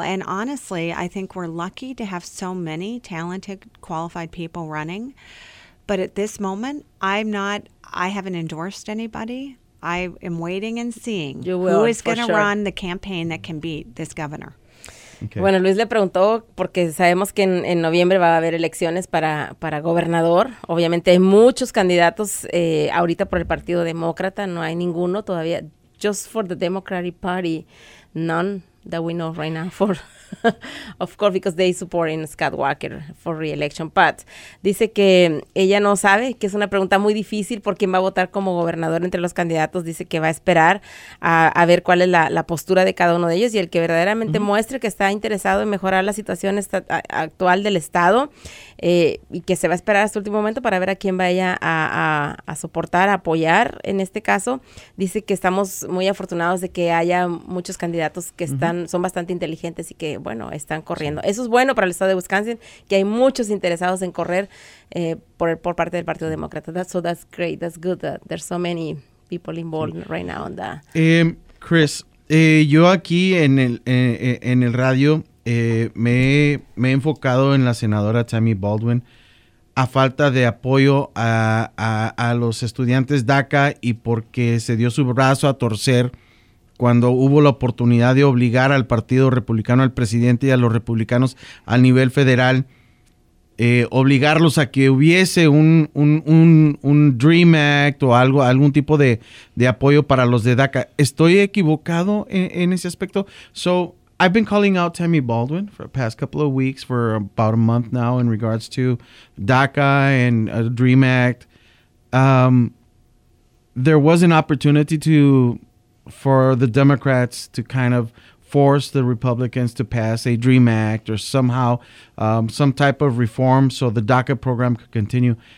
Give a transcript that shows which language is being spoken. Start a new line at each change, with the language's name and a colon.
English: And honestly, I think we're lucky to have so many talented, qualified people running. But at this moment, I'm not... I haven't endorsed anybody. I am waiting and seeing will, who is going to sure. run the campaign that can beat this governor. Okay.
Spanish: Bueno, Luis le preguntó, porque sabemos que en noviembre va a haber elecciones para gobernador. Obviamente hay muchos candidatos ahorita por el Partido Demócrata. No hay ninguno todavía.
English: Just for the Democratic Party, none that we know right now for... Of course, because they supporting Scott Walker for re-election.
Spanish: But dice que ella no sabe, que es una pregunta muy difícil por quién va a votar como gobernador entre los candidatos. Dice que va a esperar a ver cuál es la postura de cada uno de ellos. Y el que verdaderamente mm-hmm. muestre que está interesado en mejorar la situación actual del estado y que se va a esperar hasta el último momento para ver a quién vaya a soportar, a apoyar en este caso. Dice que estamos muy afortunados de que haya muchos candidatos que están mm-hmm. son bastante inteligentes y que, bueno, están corriendo. Sí. Eso es bueno para el estado de Wisconsin, que hay muchos interesados en correr por parte del Partido Demócrata.
English: So that's great, that's good that there's so many people involved sí. right now on that.
Spanish: Chris, yo aquí en el radio me he enfocado en la senadora Tammy Baldwin a falta de apoyo a los estudiantes DACA y porque se dio su brazo a torcer cuando hubo la oportunidad de obligar al Partido Republicano, al presidente y a los republicanos a nivel federal, obligarlos a que hubiese un Dream Act o algo, algún tipo de apoyo para los de DACA. ¿Estoy equivocado en ese aspecto?
English: So, I've been calling out Tammy Baldwin for the past couple of weeks, for about a month now, in regards to DACA and a Dream Act. there was an opportunity to for the Democrats to kind of force the Republicans to pass a Dream Act or somehow some type of reform so the DACA program could continue.